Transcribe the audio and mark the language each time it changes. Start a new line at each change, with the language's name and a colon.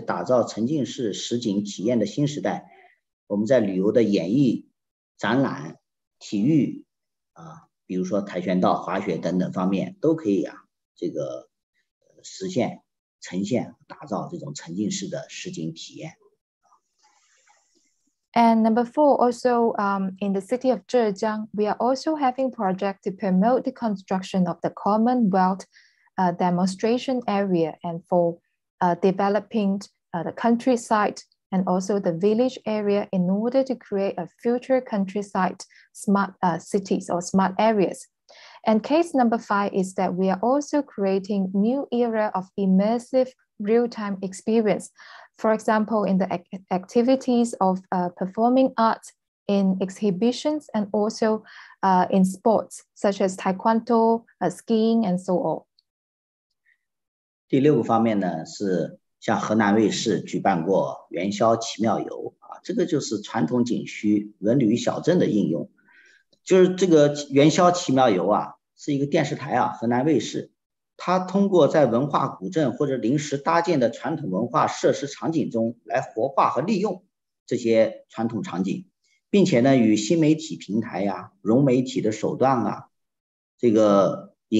Chinese: 下一页还有第四个方面是较大地理范畴内的实践，在中国的浙江省啊，推动共同富裕示范区和未来乡村建设，来打造未来乡村的智慧场景。第五个方面是打造沉浸式实景体验的新时代。我们在旅游的演绎、展览、体育啊，比如说跆拳道、滑雪等等方面，都可以啊，这个实现、呈现、打造这种沉浸式的实景体验。
English: And number four, also in the city of Zhejiang, we are also having project to promote the construction of the Commonwealth demonstration area and for developing the countryside. And also the village area in order to create a future countryside smart cities or smart areas. And case number five is that we are also creating new era of immersive real-time experience. For example, in the activities of performing arts in exhibitions and also in sports such as taekwondo, skiing and so on.
Chinese: 第六个方面呢是 像河南卫视举办过元宵奇妙游啊，这个就是传统景区文旅小镇的应用。就是这个元宵奇妙游啊，是一个电视台啊，河南卫视，它通过在文化古镇或者临时搭建的传统文化设施场景中来活化和利用这些传统场景，并且呢，与新媒体平台呀、融媒体的手段啊，这个